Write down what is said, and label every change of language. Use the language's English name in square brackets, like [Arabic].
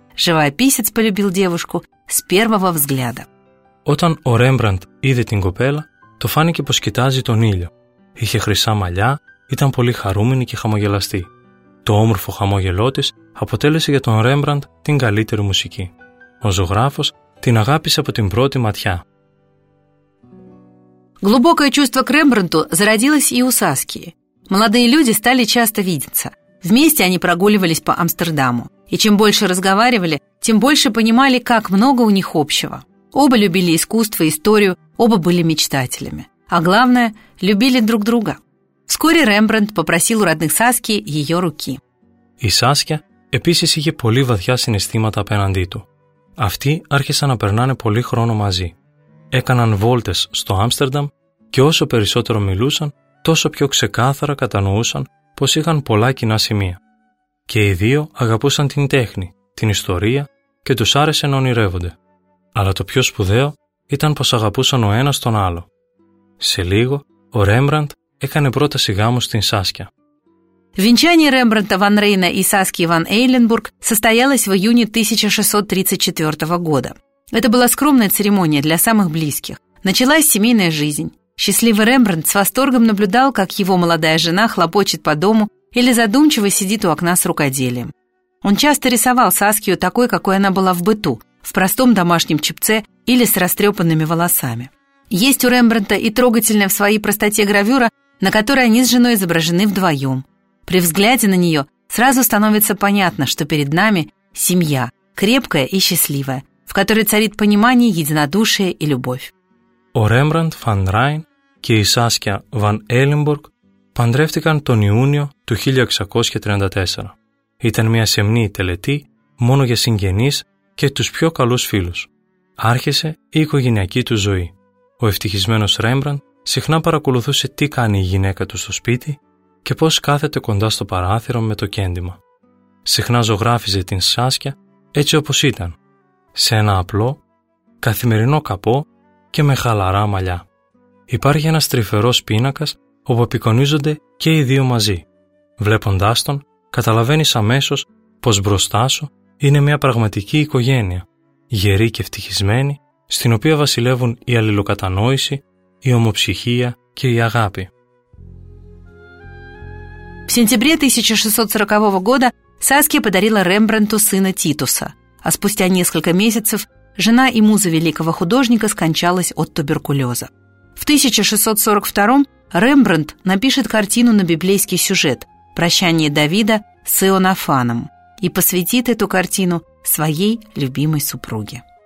[Russian] Живописец полюбил девушку с первого взгляда. [Greek] Όταν ο Ρέμπραντ είδε την κοπέλα, το φάνηκε πως κοιτάζει τον ήλιο. Είχε χρυσά μαλλιά, ήταν πολύ χαρούμενη και χαμογελαστή. Το όμορφο χαμόγελό της αποτέλεσε για τον Ρέμπραντ την καλύτερη μουσική. Ο ζωγράφος την αγάπησε από την πρώτη ματιά. [Russian] Глубокое чувство к Рембрандту зародилось и у Саски. Молодые люди стали часто видеться. Вместе они прогуливались по Амстердаму. И чем больше разговаривали, тем больше понимали, как много у них общего. Оба любили искусство, историю, оба были мечтателями. А главное, любили друг друга. Вскоре Рембрандт попросил у родных Саски ее руки. И [Greek] Саски, επίσης, είχε πολύ βαθιά συναισθήματα απέναντί του. Αυτοί άρχισαν να περνάνε πολύ χρόνο μαζί. Έκαναν βόλτες στο Άμστερνταμ και όσο περισσότερο μιλούσαν, τόσο πιο ξεκάθαρα κατανοούσαν πως είχαν πολλά κοινά σημεία. Και οι δύο αγαπούσαν την τέχνη, την ιστορία και τους άρεσε να ονειρεύονται. Αλλά το πιο σπουδαίο ήταν πως αγαπούσαν ο ένας τον άλλο. Σε λίγο, ο Ρέμπραντ έκανε πρόταση γάμου στην Σάσκια. [Russian] Венчание Рембрандта Ван Рейна и Саски Ван Эйленбург состоялось в июне 1634 года. Это была скромная церемония для самых близких. Началась семейная жизнь. Счастливый Рембрандт с восторгом наблюдал, как его молодая жена хлопочет по дому или задумчиво сидит у окна с рукоделием. Он часто рисовал Саскию такой, какой она была в быту, в простом домашнем чепце или с растрепанными волосами. Есть у Рембрандта и трогательная в своей простоте гравюра, на которой они с женой изображены вдвоем. При взгляде на нее сразу становится понятно, что перед нами семья, крепкая и счастливая, в которой царит понимание, единодушие и любовь. [Greek] Ο Ρέμπραντ Φαν Ράιν και η Σάσκια Βαν Έλλιμπουργκ παντρεύτηκαν τον Ιούνιο του 1634. Ήταν μια σεμνή τελετή μόνο για συγγενείς και τους πιο καλούς φίλους. Άρχισε η οικογενειακή του ζωή. Ο ευτυχισμένος Ρέμπραντ συχνά παρακολουθούσε τι κάνει η γυναίκα του στο σπίτι και πώς κάθεται κοντά στο παράθυρο με το κέντημα. Συχνά ζωγράφιζε την Σάσκια έτσι όπως ήταν, σε ένα απλό, καθημερινό καπό και με χαλαρά μαλλιά. Υπάρχει ένας τρυφερός πίνακας όπου απεικονίζονται και οι δύο μαζί. Βλέποντάς τον, καταλαβαίνεις αμέσως πως μπροστά σου είναι μια πραγματική οικογένεια, γερή και ευτυχισμένη, στην οποία βασιλεύουν η αλληλοκατανόηση, η ομοψυχία και η αγάπη. [Russian] В сентябре 1640 года Саския подарила Рембрандту сына Титуса, а спустя несколько месяцев жена и муза великого художника скончалась от туберкулеза. В 1642 Рембрандт напишет картину на библейский сюжет «Прощание Давида с Иоаннафаном» и посвятит эту картину своей любимой супруге.